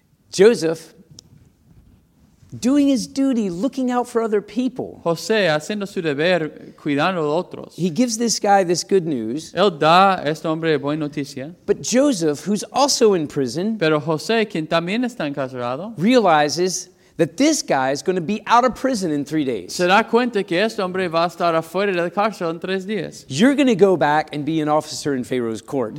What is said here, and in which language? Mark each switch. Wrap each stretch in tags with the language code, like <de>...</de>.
<en>Joseph, doing his duty, looking out for other people.</en> <es>José, haciendo su deber, cuidando a otros.</es> <en>He gives this guy this good news.</en> <es>Él da a este hombre buena noticia.</es> <en>But Joseph, who's also in prison,</en> <es>pero José, quien también está encarcelado,</es> <en>realizes that this guy is going to be out of prison in 3 days.</en> <es>Se da cuenta que este hombre va a estar afuera de la cárcel en 3 días.</es> <en>You're going to go back and be an officer in Pharaoh's court.</en>